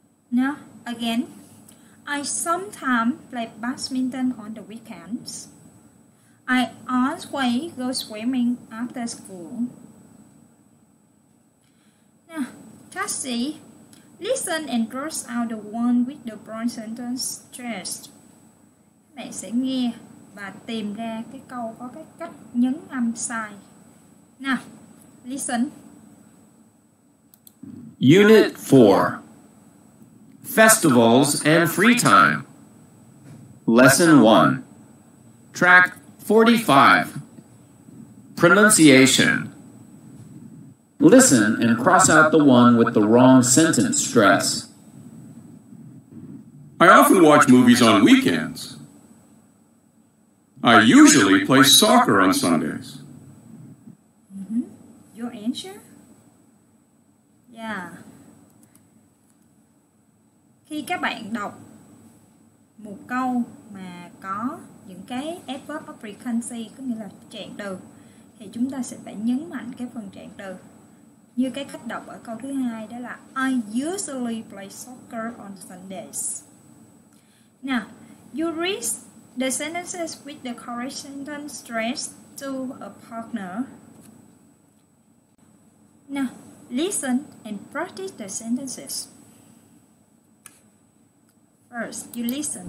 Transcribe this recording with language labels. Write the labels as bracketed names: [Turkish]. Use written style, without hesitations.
[English] Now, again, I sometimes play badminton on the weekends. I always go swimming after school. Now, Cassie, listen and draw out the one with the brown sentence stressed. [Vietnamese] Mẹ sẽ nghe và tìm ra cái câu có cái cách nhấn âm sai. [English] Now, listen. Unit 4. Festivals and Free Time. Lesson 1. Track 45. Pronunciation. Listen and cross out the one with the wrong sentence stress. I often watch movies on weekends. I usually play soccer on Sundays. Mm-hmm. Your answer? Yeah. [Vietnamese] Khi các bạn đọc một câu mà có những cái adverb of frequency, có nghĩa là trạng từ, thì chúng ta sẽ phải nhấn mạnh cái phần trạng từ. Như cái cách đọc ở câu thứ hai đó là [English] I usually play soccer on Sundays. Now, you read the sentences with the correct sentence stress to a partner. Now, listen and practice the sentences. First, you listen.